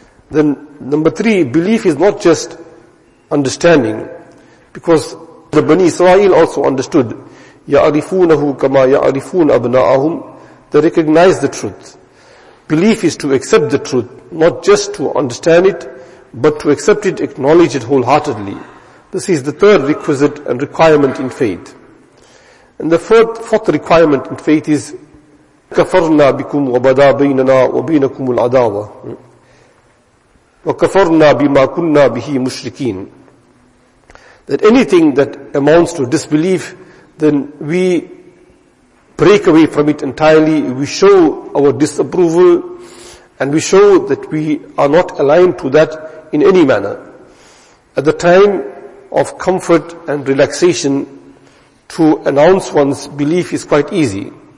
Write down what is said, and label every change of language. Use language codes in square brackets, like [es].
[en] Then number three, belief is not just understanding, because the Bani Israel also understood, [ar] يَعْرِفُونَهُ كَمَا يَعْرِفُونَ أَبْنَاءَهُمْ, [en] they recognize the truth. Belief is to accept the truth, not just to understand it, but to accept it, acknowledge it wholeheartedly. This is the third requisite and requirement in faith. And the fourth requirement in faith is, [ar] كَفَرْنَا بِكُمْ وَبَدَى بَيْنَنَا وَبَيْنَكُمُ الْعَدَاوَةِ وَكَفَرْنَا بِمَا كُنَّا بِهِ مُشْرِكِينَ. [en] That anything that amounts to disbelief, then we break away from it entirely. We show our disapproval and we show that we are not aligned to that in any manner. At the time of comfort and relaxation, to announce one's belief is quite easy.